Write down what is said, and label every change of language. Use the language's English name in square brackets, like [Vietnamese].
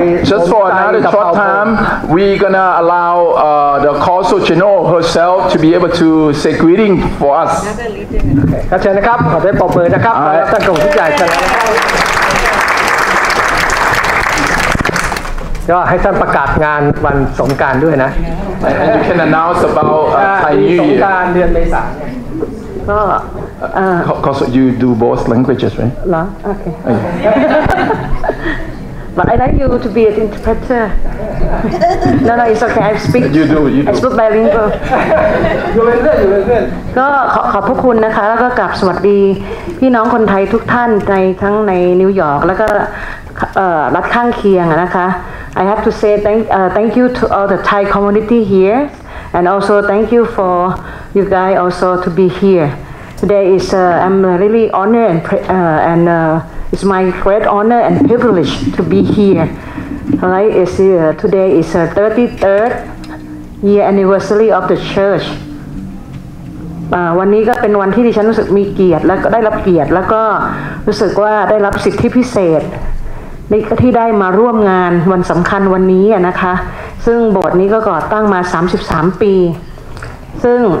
[English] Just for another short time we gonna allow the Consul General herself to be able to say greeting for us [Thai] ขอเชิญนะครับขอได้ปรบมือนะครับท่านกงสุลใหญ่ครับก็ให้ท่านประกาศงานวันสงกรานต์ด้วยนะ [English] And you can announce about Thai New Year [Thai] สงกรานต์เดือนเมษายน ก็ [English] Because you do both languages right [Thai] หรอโอเค [English] But I like you to be an interpreter No it's okay I speak you do. [Thai] I speak bilingual ก็ขอบพระคุณนะคะแล้วก็กราบสวัสดีพี่น้องคนไทยทุกท่านในทั้งในนิวยอร์กแล้วก็รัฐข้างเคียงนะคะ [English] I have to say thank you to all the Thai community here, and also thank you for you guys also to be here. Today is I'm really honored and it's my great honor and privilege to be here. Right, it's today is the 33rd year anniversary of the church. [Thai] วันนี้ก็เป็นวันที่ดิฉันรู้สึกมีเกียรติแล้วก็ได้รับเกียรติแล้วก็รู้สึกว่าได้รับสิทธิพิเศษในก็ที่ได้มาร่วมงานวันสำคัญวันนี้นะคะซึ่งโบสถ์นี้ก็ก่อตั้งมา33ปีซึ่ง